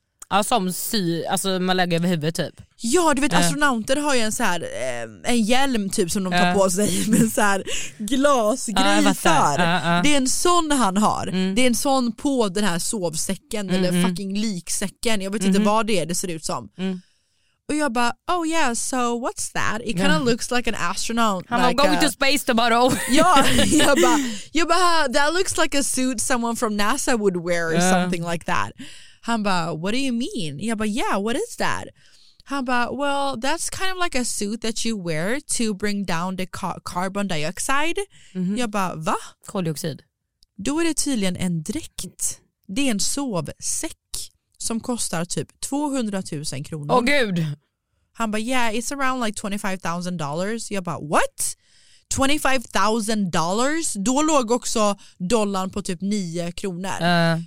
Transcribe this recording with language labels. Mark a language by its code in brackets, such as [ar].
[sv] Ja, som sy, alltså man lägger över huvudet typ. Ja, du vet, astronauter har ju en så här en hjälm typ som de tar på sig med en så här glasgrej för. Det är en sån han har. Det är en sån på den här sovsäcken eller fucking liksäcken. Jag vet inte vad det ser ut som. Och jag bara, [en] oh yeah, so what's that? It kind of looks like an astronaut. I'm like going to space tomorrow. [sv] Ja, jag bara, [en] that looks like a suit someone from NASA would wear or something like that. [sv] Han bara, [en] what do you mean? [sv] Jag bara, [en] yeah, what is that? [sv] Han bara, [en] well, that's kind of like a suit that you wear to bring down the carbon dioxide. [sv] Jag bara, va? Koldioxid. Då är det tydligen en dräkt. Det är en sovsäck som kostar typ 200 000 kronor. Åh, gud! Han bara, [en] yeah, it's around like $25,000. [sv] Jag bara, [en] what? [sv] $25,000, då låg också dollarn på typ 9 kronor.